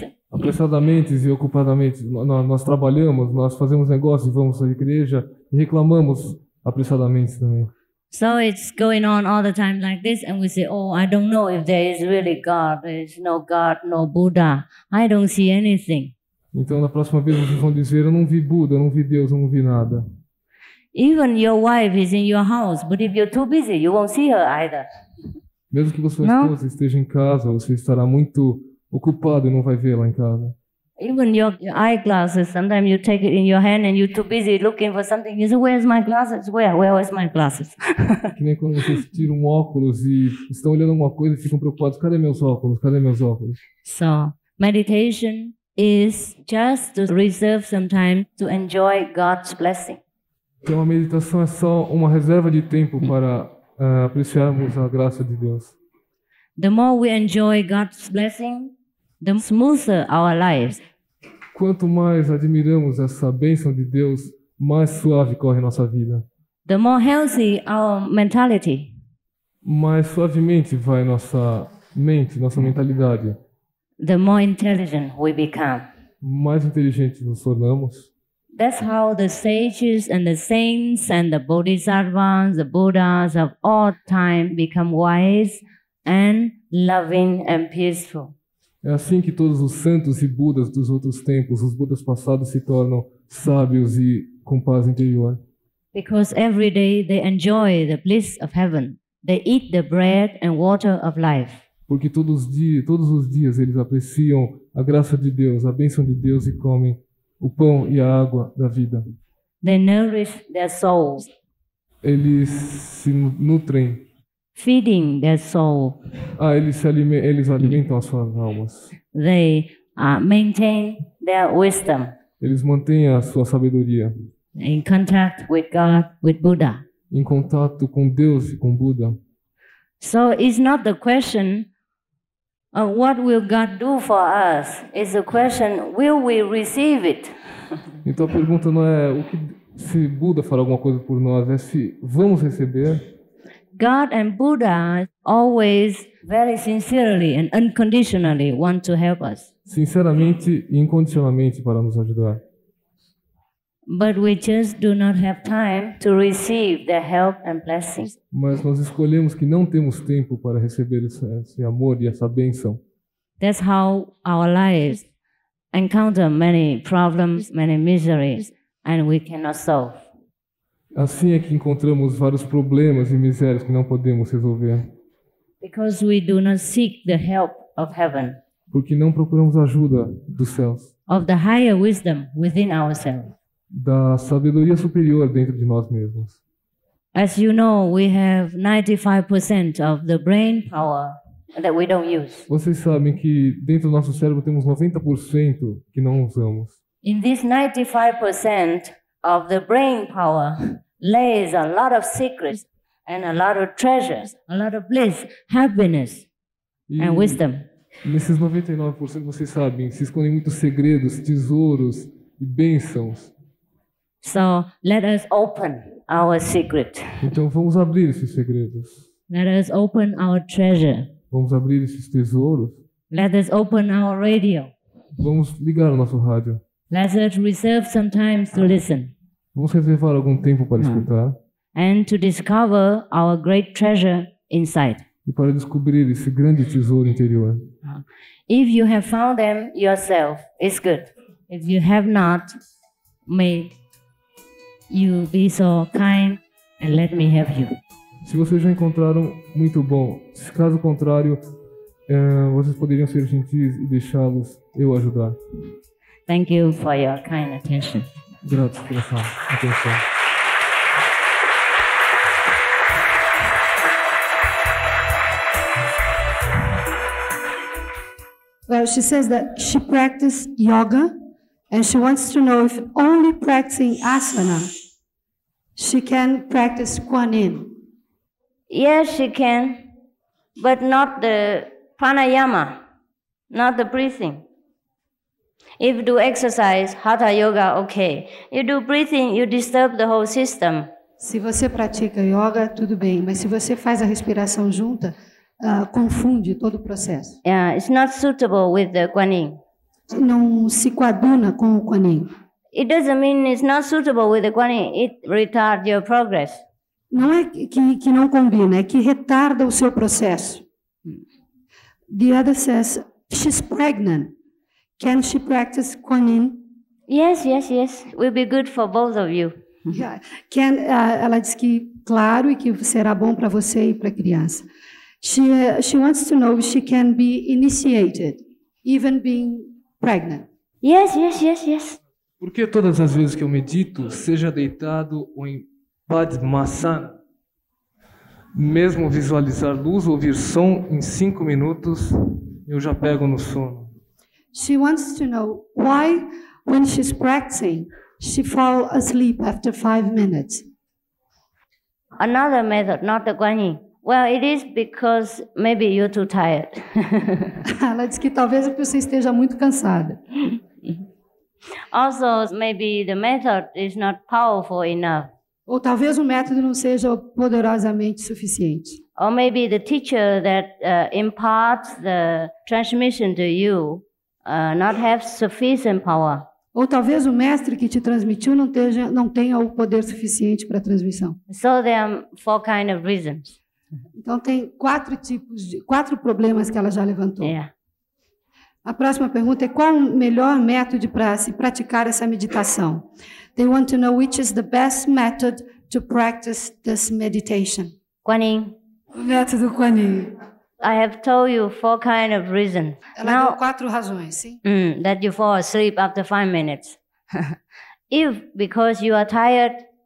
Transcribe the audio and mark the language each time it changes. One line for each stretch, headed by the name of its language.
Portuguese: Apressadamente e ocupadamente nós trabalhamos, nós fazemos negócio e vamos à igreja e reclamamos apressadamente também.
English: So it's going on all the time like this and we say, "Oh, I don't know if there is really God. There's no God, no Buddha. I don't see anything."
Portuguese: Então na próxima vez vocês vão dizer, "Eu não vi Buda, não vi Deus, não vi nada."
English: Even your wife is in your house, but if you're too busy, you won't see her either.
Portuguese: Mesmo que sua esposa esteja em casa, você estará muito ocupado e não vai vê-la em casa.
English: Even your eyeglasses, sometimes you take it in your hand and you're too busy looking for something. You say, "Where's my glasses? Where's my glasses?"
Portuguese: Que nem quando vocês tiram um óculos e estão olhando alguma coisa e ficam preocupados. Cadê meus óculos? Cadê meus óculos?
English: So, meditation is just to reserve some time to enjoy God's blessing.
Portuguese: Então a meditação é só uma reserva de tempo para apreciarmos a graça de Deus.
English: The more we enjoy God's blessing, the smoother our lives.
Portuguese: Quanto mais admiramos essa bênção de Deus, mais suave corre nossa vida.
English: The more healthy our mentality.
Portuguese: Mais suavemente vai nossa mente, nossa mentalidade.
English: The more intelligent we become.
Portuguese: Mais inteligentes nos tornamos.
English: That's how the sages and the saints and the bodhisattvas, the buddhas of all time become wise and loving and peaceful.
Portuguese: É assim que todos os santos e budas dos outros tempos, os budas passados, se tornam sábios e com paz interior.
English: Because every day they enjoy the bliss of heaven. They eat the bread and water of life.
Portuguese: Porque todos os dias eles apreciam a graça de Deus, a bênção de Deus e comem o pão e a água da vida.
English: They nourish their souls.
Portuguese: Eles se nutrem.
English: Feeding their soul.
Portuguese: Ah, eles alimentam as suas almas.
English: They maintain their wisdom.
Portuguese: Eles mantêm a sua sabedoria.
English: In contact with God, with Buddha.
Portuguese: Em contato com Deus e com Buda.
English: So it's not the question of what will God do for us? It's a question, will we receive it?
Portuguese: Então a pergunta não é o que se Buda fará alguma coisa por nós, é se vamos receber.
English: God and Buddha always very sincerely and unconditionally want to help us.
Portuguese: Sinceramente e incondicionalmente para nos ajudar.
English: But we just do not have time to receive the help and blessings.
Portuguese: Mas nós escolhemos que não temos tempo para receber esse amor e essa bênção.
English: That's how our lives encounter many problems, many miseries, and we cannot solve.
Portuguese: Assim é que encontramos vários problemas e misérias que não podemos resolver.
English: Because we do not seek the help of heaven.
Portuguese: Porque não procuramos ajuda dos céus.
English: Of the higher wisdom within ourselves.
Portuguese: da sabedoria superior dentro de nós mesmos.
English: As you know, we have 95% of the brain power that we don't use.
Portuguese: Vocês sabem que dentro do nosso cérebro temos 90% que não usamos.
English: In this 95% of the brain power lays a lot of secrets and a lot of treasures, a lot of bliss, happiness and wisdom.
Portuguese: Nesses 99%, vocês sabem, se escondem muitos segredos, tesouros e bênçãos.
English: So, let us open our secret.
Portuguese: Então vamos abrir esses segredos.
English: Let us open our treasure.
Portuguese: Vamos abrir esses tesouros.
English: Let us open our radio.
Portuguese: Vamos ligar o nosso rádio.
English: Let us reserve some time to listen.
Portuguese: Vamos reservar algum tempo para escutar.
English: And to discover our great treasure inside.
Portuguese: E para descobrir esse grande tesouro interior.
English: If you have found them yourself, it's good. If you have not, may you be so kind and let me have you.
Portuguese: Se vocês já encontraram, muito bom. Se caso contrário, vocês poderiam ser gentis e deixá-los eu ajudar.
English: Thank you for your kind attention.
Portuguese: Grato pela sua atenção.
English: Well, she says that she practiced yoga and she wants to know if only practicing asana she can practice Kuan Yin. Yes, she can, but not the pranayama, not the breathing. If you do exercise, hatha yoga, okay. You do breathing, you disturb the whole system.
Portuguese: Se você pratica yoga, tudo bem, mas se você faz a respiração junta, confunde todo o processo.
English: Yeah, it's not suitable with the Kuan Yin.
Portuguese: Não se coaduna com o Kuan Yin.
English: It doesn't mean it's not suitable with the Kuan Yin. It retards your progress.
Portuguese: Não é que não combina, é que retarda o seu processo.
English: The other says, she's pregnant. Can she practice Kuan Yin? Yes, yes, yes. Will be good for both of you. Yeah.
Portuguese: Ela diz que, claro, e que será bom para você e para a criança.
English: She wants to know if she can be initiated, even being pregnant. Yes, yes, yes, yes.
Portuguese: Por que todas as vezes que eu medito, seja deitado ou em Padmasana, mesmo visualizar luz ou ouvir som em 5 minutos, eu já pego no sono?
English: She wants to know why, when she's practicing, she falls asleep after 5 minutes. Another method, not the Kuan Yin. Well, it is because maybe you're too tired.
Portuguese: Ela diz que talvez você esteja muito cansada.
English: Also, maybe the method is not powerful enough.
Portuguese: Ou talvez o método não seja poderosamente suficiente.
English: Or maybe the teacher that imparts the transmission to you not have sufficient power.
Portuguese: Ou talvez o mestre que te transmitiu não tenha o poder suficiente para a transmissão.
English: So there are 4 kind of reasons.
Portuguese: Então tem 4 problemas que ela já levantou.
English: Yeah.
Portuguese: A próxima pergunta é qual o melhor método para se praticar essa meditação?
English: They want to know which is the best method to practice this meditation. Kuan Yin.
Portuguese: O método Kuan Yin.
English: I have told you 4 kind of reasons.
Portuguese: Ela deu 4 razões, sim?
English: That you fall asleep after 5 minutes. If because you are tired.